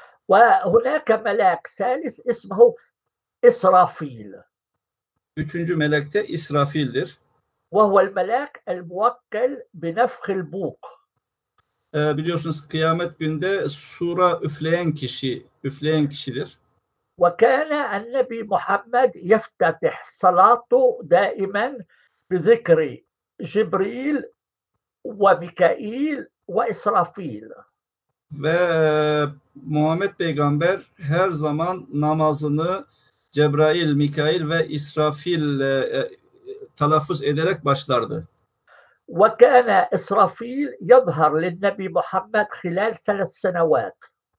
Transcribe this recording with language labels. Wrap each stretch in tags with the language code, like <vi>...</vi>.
<ar>Ve هناك ملاك ثالث اسمه إسرافيل.</ar> <tr>Üçüncü melek de İsrafil'dir.</tr> <ar>وهو الملاك الموكل بنفخ البوق.</ar> <tr>Biliyorsunuz kıyamet günde sura üfleyen kişi, üfleyen kişidir.</tr> <ar>وكان النبي محمد يفتتح صلاته دائما بذكر جبريل وميكائيل وإسرافيل.</ar> <tr>Ve Muhammed Peygamber her zaman namazını Cebrail, Mikail ve İsrafil telaffuz ederek başlardı.</tr> <ar>Ve kana İsrafil yazhar lin-Nebi Muhammed hilal 3 senavat.</ar>